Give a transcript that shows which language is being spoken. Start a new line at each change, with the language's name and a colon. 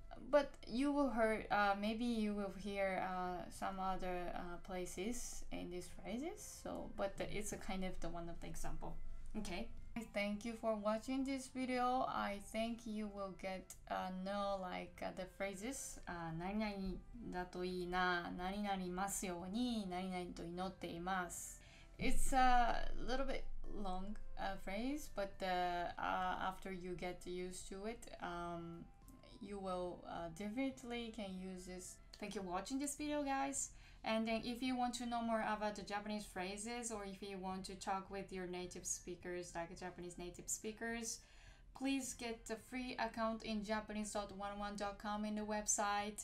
English: But you will hear, maybe you will hear some other places in these phrases. So, but it's a kind of the one of the example. Okay. Thank you for watching this video. I think you will get know like the phrases.
Japanese: 何々だといいな、何々ますように、何々と祈っています。
English: It's a little bit long phrase, but after you get used to it, you will definitely can use this. Thank you for watching this video, guys. And then if you want to know more about the Japanese phrases or if you want to talk with your native speakers, like Japanese native speakers, please get the free account in Japanese.11.com in the website.